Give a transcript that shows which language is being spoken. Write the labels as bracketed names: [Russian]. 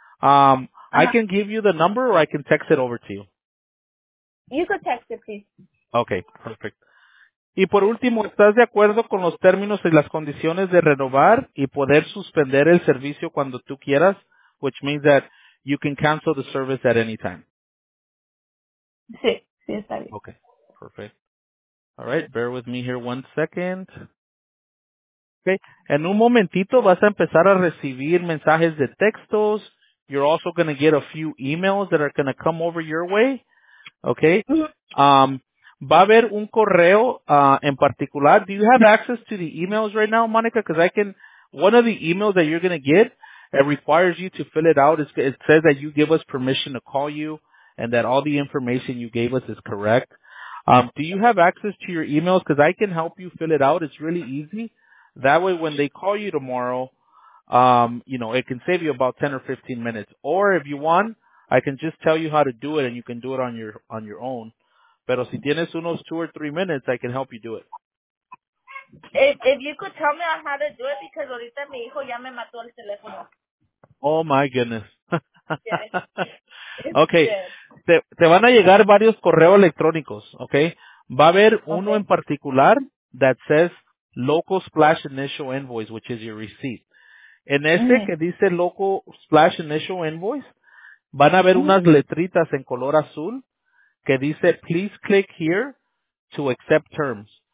[English] I can give you the number or I can text it over to you. You could text it, please. Okay, perfect. [Spanish] Y por último, ¿estás de acuerdo con los términos y las condiciones de renovar y poder suspender el servicio cuando tú quieras? [English] Which means that you can cancel the service at any time. [Spanish] Sí, sí, está bien. [English] Okay, perfect. All right, bear with me here one second. [Spanish] Okay, en un momentito vas a empezar a recibir mensajes de textos. [English] You're also going to get a few emails that are going to come over your way. Okay? [Spanish] Va a haber un correo en particular. [English] Do you have access to the emails right now, Monica? Because I can, one of the emails that you're going to get, it requires you to fill it out. It says that you give us permission to call you and that all the information you gave us is correct. Do you have access to your emails? Because I can help you fill it out. It's really easy. That way, when they call you tomorrow, you know, it can save you about 10 or 15 minutes. Or if you want, I can just tell you how to do it and you can do it on your own. [Spanish] Pero si tienes unos [English] 2 or 3 minutes, I can help you do it. If you could tell me on how to do it, because [Spanish] ahorita mi hijo ya me mató el teléfono. [English] Oh, my goodness. Yes. Okay. Yes. [Spanish] Te van a llegar varios correos electrónicos, okay? Va a haber uno en particular [English] that says Local Splash Initial Invoice, which is your receipt. [Spanish] En ese que dice Local Splash Initial Invoice, van a haber unas letritas en color azul que dice, [English] please click here to accept terms.